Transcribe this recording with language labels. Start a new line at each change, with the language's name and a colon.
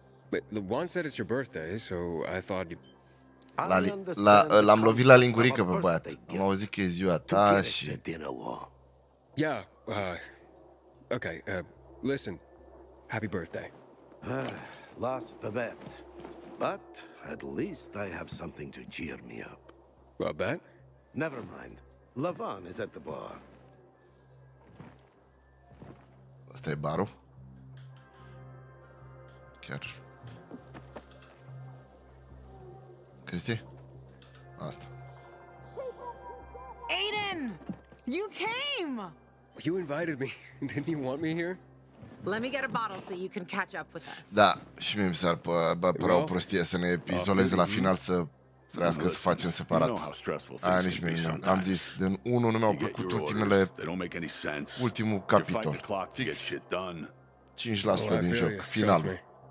English: But the one said it's your birthday, so I thought you.
Romanian: L-am lovit la lingurică pe băiat. Am auzit că e ziua ta și...
English: Yeah, okay, listen. Happy birthday. Lost the bet. But at least I have something to cheer me up. What bet? Never mind. Lavon is at the bar.
Romanian: Asta e barul? Chiar. Cristi? Asta.
English: Aiden! You came! You invited me. Didn't you want me here? Let me get a bottle so you can catch up with us.
Romanian: Da, și mie mi s-ar părea o prostie să ne izoleze la final să vrească să facem separat. Aia nici mie nu. Am zis, din unul nu mi-au plăcut ultimele... ultimul capitol. Fix. 5% din joc. Finalul.